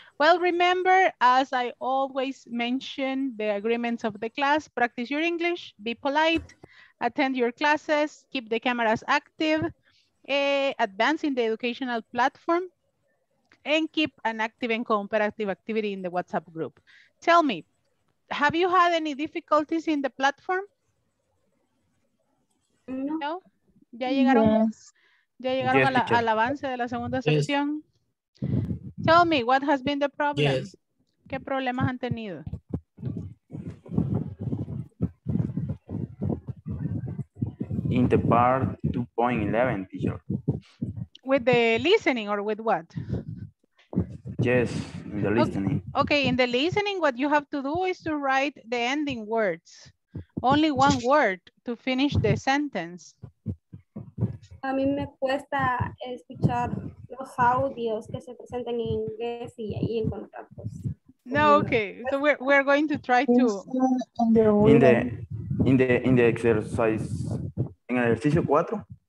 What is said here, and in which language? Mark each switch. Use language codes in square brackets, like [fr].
[en] Well, remember, as I always mention, the agreements of the class, practice your English, be polite, attend your classes, keep the cameras active, advance in the educational platform, and keep an active and cooperative activity in the WhatsApp group. Tell me, have you had any difficulties in the platform? No. [es] Ya llegaron, yes. Ya llegaron yes, al avance de la segunda sección. [en] Yes. Tell me, what has been the problem? Yes. [es] ¿Qué problemas han tenido? [en] In the part 2.11, teacher. With the listening or with what? Yes, in the listening. Okay. Okay, in the listening, what you have to do is to write the ending words. Only one word to finish the sentence. [es] A mí me cuesta escuchar los audios que se presentan en inglés y encontrar [en] cosas. No, okay. So we're going to try to... In the exercise... [es] En el ejercicio 4.